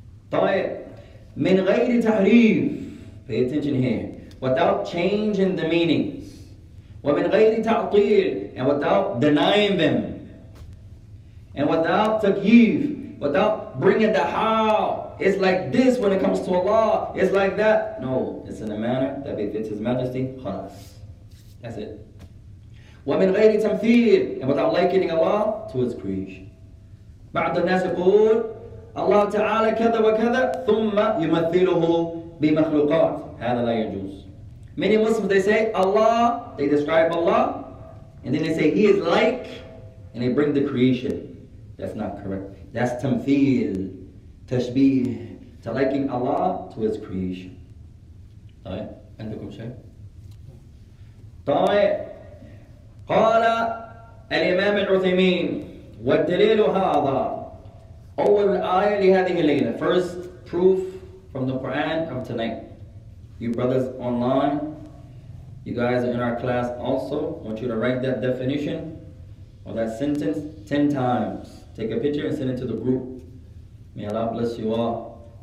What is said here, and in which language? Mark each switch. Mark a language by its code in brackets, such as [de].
[en] طيب, [ar] مِنْ غَيْرِ تَحْرِيفِ, [en] pay attention here, without changing the meanings, [ar] وَمِنْ غَيْرِ تَعْطِيلِ, [en] and without denying them, and without تَكْيِيف, without bringing the how, it's like this when it comes to Allah, it's like that. No, it's in a manner that befits His Majesty. خلاص. That's it. [ar] وَمِنْ غَيْرِ تَمْثِيلٍ, [en] and without likening Allah to His creation. [ar] بَعْدَ النَّاسِ يَقُولُ Allah Ta'ala كَذَا وَكَذَا ثُمَّ يُمَثِّلُهُ بِمَخْلُقَاتِ. هذا لا يجوز. [en] Many Muslims, they say Allah, they describe Allah, and then they say He is like, and they bring the creation. That's not correct. That's تَمْثِيل. Tashbih, to liking Allah to His creation. [ar] طيب, عندكم شيء؟ طيب, قال الإمام العثيمين والدليل هذا أول آية لهذه الليلة. [en] First proof from the Quran of tonight. You brothers online, you guys are in our class also, I want you to write that definition or that sentence 10 times. Take a picture and send it to the group. May Allah bless you all.